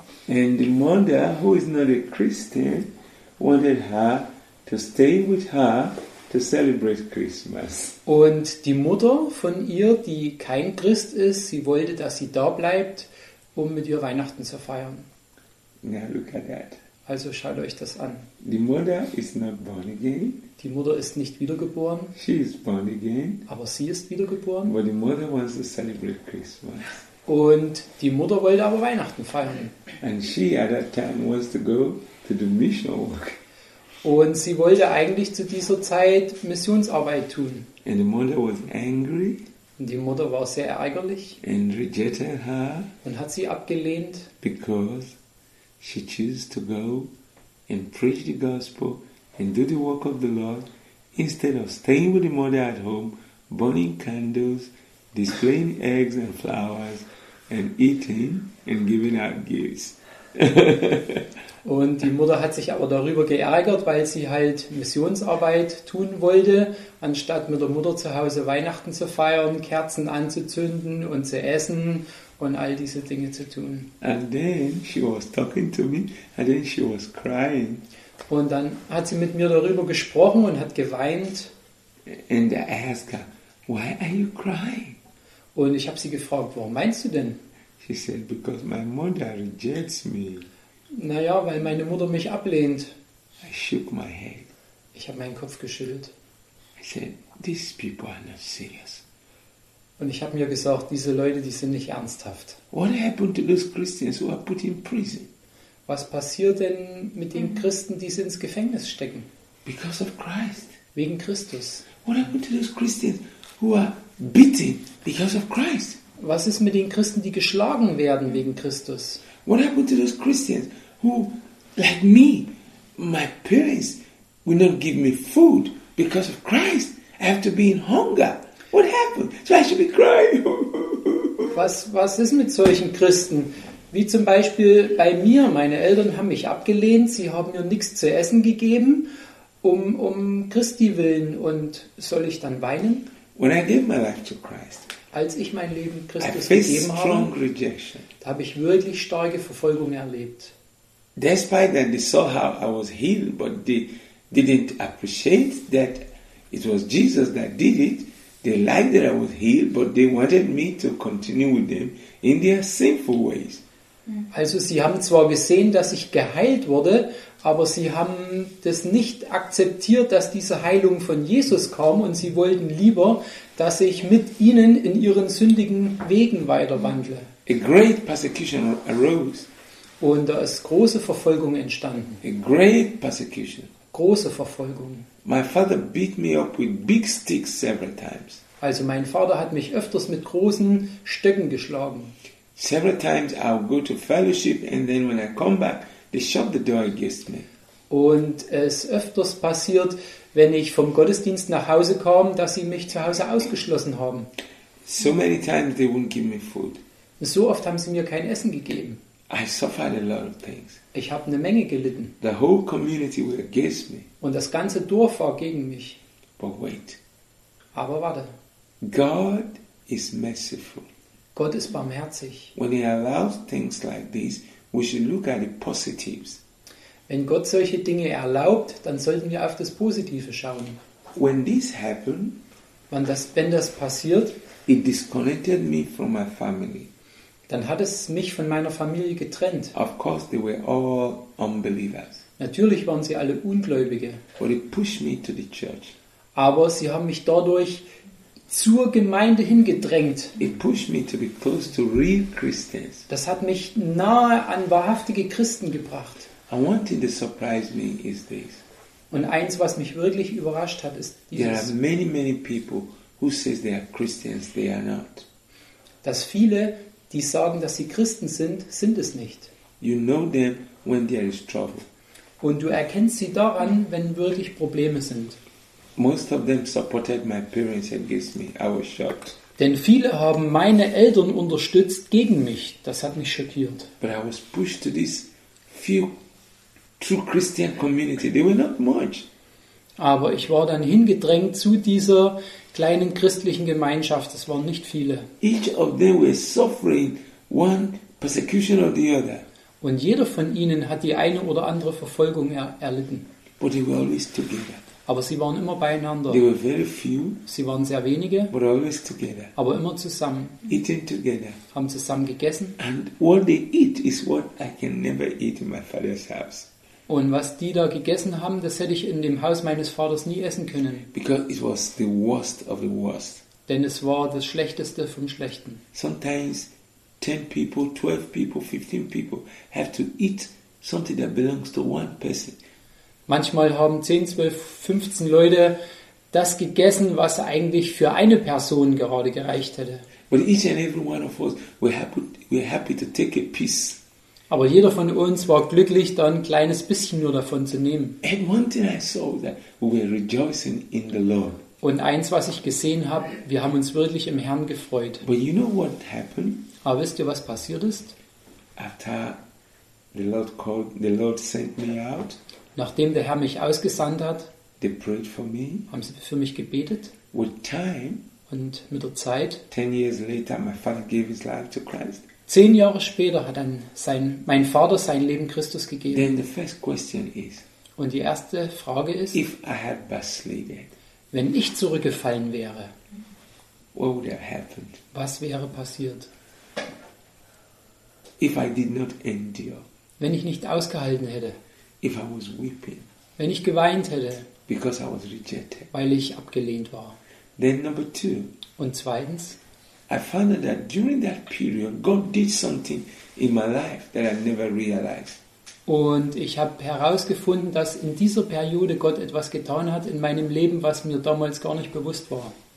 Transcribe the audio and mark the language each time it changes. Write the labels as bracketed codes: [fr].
[en] And the mother, who is not a Christian, wanted her to stay with her to celebrate Christmas. [de] Und die Mutter von ihr, die kein Christ ist, sie wollte, dass sie da bleibt, um mit ihr Weihnachten zu feiern. [en] Now look at that. [de] Also schaut euch das an. [en] The mother is not born again. [de] Die Mutter ist nicht wiedergeboren. [en] She is born again. [de] Aber sie ist wiedergeboren. [en] But the mother wants to celebrate Christmas. [de] Und die Mutter wollte aber Weihnachten feiern. [en] And she at that time wants to go to do mission work. [de] Und sie wollte eigentlich zu dieser Zeit Missionsarbeit tun. [en] And the mother was angry. [de] Und die Mutter war sehr ärgerlich. [en] And rejected her. [de] Und hat sie abgelehnt. [en] Because she chose to go and preach the gospel and do the work of the Lord instead of staying with the mother at home, burning candles, displaying eggs and flowers, and eating and giving out gifts. [de] Und die Mutter hat sich aber darüber geärgert, weil sie halt Missionsarbeit tun wollte, anstatt mit der Mutter zu Hause Weihnachten zu feiern, Kerzen anzuzünden und zu essen und all diese Dinge zu tun. [en] And then she was talking to me, and then she was crying. [de] Und dann hat sie mit mir darüber gesprochen und hat geweint. [en] And I asked her, why are you crying? [de] Und ich habe sie gefragt, warum weinst du denn? [en] She said, because my mother rejects me. [de] Naja, weil meine Mutter mich ablehnt. [en] I shook my head. [de] Ich habe meinen Kopf geschüttelt. [en] I said, these people are not serious. [de] Und ich habe mir gesagt, diese Leute, die sind nicht ernsthaft. [en] What happened to those Christians who are put in prison? [de] Was passiert denn mit den Christen, die sie ins Gefängnis stecken? [en] Because of Christ. [de] Wegen Christus. [en] What happened to those Christians who are beaten because of Christ? [de] Was ist mit den Christen, die geschlagen werden wegen Christus? [en] What happened to those Christians who, like me, my parents will not give me food because of Christ? I have to be in hunger. What happened? So I should be crying. [de] Was ist mit solchen Christen? Wie zum Beispiel bei mir. Meine Eltern haben mich abgelehnt. Sie haben mir nichts zu essen gegeben, um Christi willen. Und soll ich dann weinen? [en] When I gave my life to Christ, [de] als ich mein Leben Christus gegeben habe, [en] strong rejection. [de] Da habe ich wirklich starke Verfolgung erlebt. [en] Despite that they saw how I was healed, but they didn't appreciate that it was Jesus that did it. They liked that I was healed, but they wanted me to continue with them in their sinful ways. [de] Also sie haben zwar gesehen, dass ich geheilt wurde, aber sie haben das nicht akzeptiert, dass diese Heilung von Jesus kam und sie wollten lieber, dass ich mit ihnen in ihren sündigen Wegen weiterwandle. [en] A great persecution arose. [de] Und da ist große Verfolgung entstanden. [en] A great persecution. [de] Große Verfolgung. [en] My father beat me up with big sticks several times. [de] Also mein Vater hat mich öfters mit großen Stöcken geschlagen. [en] Several times I would go to fellowship and then when I come back, they shut the door against me. [de] Und es öfters passiert, wenn ich vom Gottesdienst nach Hause kam, dass sie mich zu Hause ausgeschlossen haben. [en] So many times they wouldn't give me food. [de] So oft haben sie mir kein Essen gegeben. [en] I suffered a lot of things. [de] Ich habe eine Menge gelitten. [en] The whole community were against me. [de] Und das ganze Dorf war gegen mich. [en] But wait. [de] Aber warte. [en] God is merciful. [de] Gott ist barmherzig. [en] When he allows things like this, we should look at the positives. [de] Wenn Gott solche Dinge erlaubt, dann sollten wir auf das Positive schauen. [en] When this happened, [de] wenn das passiert, [en] it disconnected me from my family. [de] Dann hat es mich von meiner Familie getrennt. [en] Of course they were all unbelievers. [de] Natürlich waren sie alle Ungläubige. [en] But it pushed me to the church. [de] Aber sie haben mich dadurch zur Gemeinde hingedrängt. [en] It pushed me to be close to real Christians. [de] Das hat mich nahe an wahrhaftige Christen gebracht. [en] And one thing that surprised me is this. [de] Und eins, was mich wirklich überrascht hat, ist dieses. [en] There are many, many people who say they are Christians, they are not. [de] Dass viele, die sagen, dass sie Christen sind, sind es nicht. [en] You know them when there is trouble. [de] Und du erkennst sie daran, wenn wirklich Probleme sind. [en] Most of them supported my parents against me. I was shocked. [de] Denn viele haben meine Eltern unterstützt gegen mich. Das hat mich schockiert. [en] But I was pushed to this few true Christian community. They were not much. [de] Aber ich war dann hingedrängt zu dieser kleinen christlichen Gemeinschaft. Es waren nicht viele. [en] Each of them were suffering one persecution or the other. [de] Und jeder von ihnen hat die eine oder andere Verfolgung erlitten. [en] But they were always together. [de] Aber sie waren immer beieinander. [en] They were very few, [de] sie waren sehr wenige. [en] But always together. [de] Aber immer zusammen. [en] Eating together. [de] Haben zusammen gegessen. [en] And what they eat is what I can never eat in my father's house. [de] Und was die da gegessen haben, das hätte ich in dem Haus meines Vaters nie essen können. [en] Because it was the worst of the worst. [de] Denn es war das Schlechteste vom Schlechten. [en] Sometimes 10 people, 12 people, 15 people have to eat something that belongs to one person. [de] Manchmal haben 10, 12, 15 Leute das gegessen, was eigentlich für eine Person gerade gereicht hätte. [en] But each and every one of us, we're happy to take a piece. [de] Aber jeder von uns war glücklich, dann ein kleines bisschen nur davon zu nehmen. [en] And one thing I saw that we were rejoicing in the Lord. [de] Und eins, was ich gesehen habe, wir haben uns wirklich im Herrn gefreut. [en] But you know what happened? [de] Aber wisst ihr, was passiert ist? [en] After the Lord sent me out. [de] Nachdem der Herr mich ausgesandt hat, [en] they prayed for me. [de] Haben sie für mich gebetet. [en] With time, [de] und mit der Zeit, [en] 10 years later, my father gave his life to Christ. [de] 10 Jahre später hat dann mein Vater sein Leben Christus gegeben. [en] Then the first question is, [de] und die erste Frage ist, [en] if I had backslidden, [de] wenn ich zurückgefallen wäre, [en] what would have happened? [de] Was wäre passiert? [en] If I did not endure, [de] wenn ich nicht ausgehalten hätte, [en] if I was weeping, [de] wenn ich geweint hätte, [en] because I was rejected, [de] weil ich abgelehnt war. [en] Then number two, [de] und zweitens, [en] I found out that during that period God did something in my life that I never realized. [de] Und ich habe herausgefunden, dass in dieser Periode Gott etwas getan hat in meinem Leben, was mir damals gar nicht bewusst war.